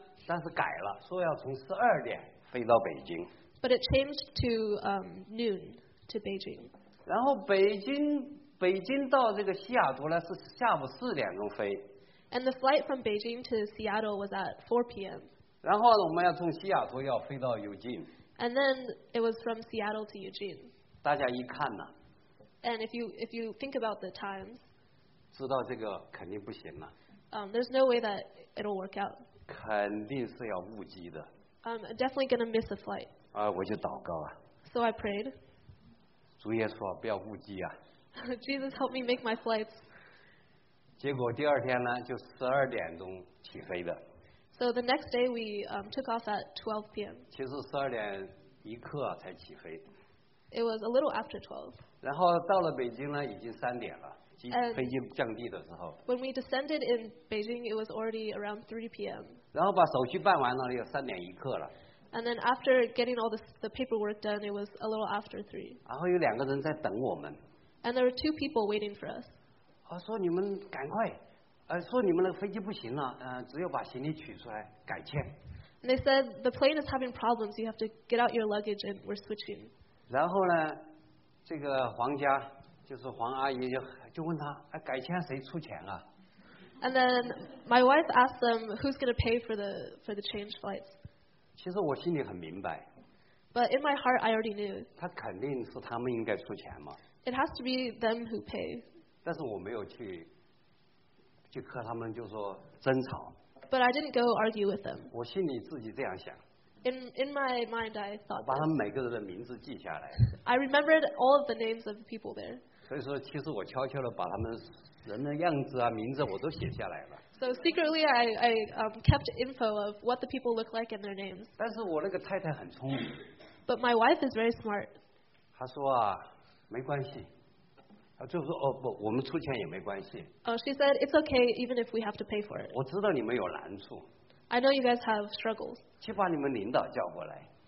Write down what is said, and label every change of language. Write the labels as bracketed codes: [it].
[zh] 但是改了，说要从12点飞到北京。 [en] But it changed to noon to Beijing. [zh] 然后北京到这个西雅图呢是下午四点钟飞。 [en] And the flight from Beijing to Seattle was at 4 p.m. [zh] 然后呢，我们要从西雅图要飞到牛津。 [en] And then it was from Seattle to Eugene. [zh] 大家一看呢。 [en] And if you think about the times, [zh] 知道这个肯定不行了。 [en] There's no way that it'll work out. [zh] 肯定是要误机的。 [en] I'm definitely gonna miss a flight. [zh] 我就祷告啊。 [en] So I prayed. [zh] 主耶稣，不要误机啊。 [en] Jesus, help me make my flights. [zh] 结果第二天呢，就十二点钟起飞的。 [en] So the next day we took off at 12 p.m. [zh] 其实十二点一刻才起飞。 [en] It was a little after 12. [zh] 然后到了北京呢，已经三点了，飞机降地的时候。 [en] When we descended in Beijing, it was already around 3 p.m. [zh] 然后把手续办完了，要三点一刻了。 [en] And then after getting all the paperwork done, it was a little after 3. [zh] 然后有两个人在等我们。 [en] And there were two people waiting for us. [zh] 说你们赶快。说你们那个飞机不行了，只有把行李取出来改签。 [en] And they said the plane is having problems. You have to get out your luggage and we're switching. [zh] 然后呢，这个黄家就是黄阿姨就问他，改签谁出钱啊 [en] ？And then my wife asked them who's going to pay for the change flights. [zh] 其实我心里很明白。 [en] But in my heart, I already knew. [zh] 他肯定是他们应该出钱嘛。 [en] It has to be them who pay. [zh] 但是我没有去。就和他们就说争吵。 [en] But I didn't go argue with them. [zh] 我心里自己这样想。 [en] In my mind, I thought. [zh] 我把他们每个人的名字记下来。 [en] I remembered all of the names of the people there. [zh] 所以说，其实我悄悄的把他们人的样子啊、名字我都写下来了。 [en] So secretly, I kept info of what the people look like and their names. [zh] 但是我那个太太很聪明。 [en] But my wife is very smart. [zh] 她说啊，没关系。就说哦不，我们出钱也没关系。 [en] She said it's okay even if we have to pay for it. [zh] 我知道你们有难处。 [en] I know you guys have struggles. [zh] 去把你们领导叫过来。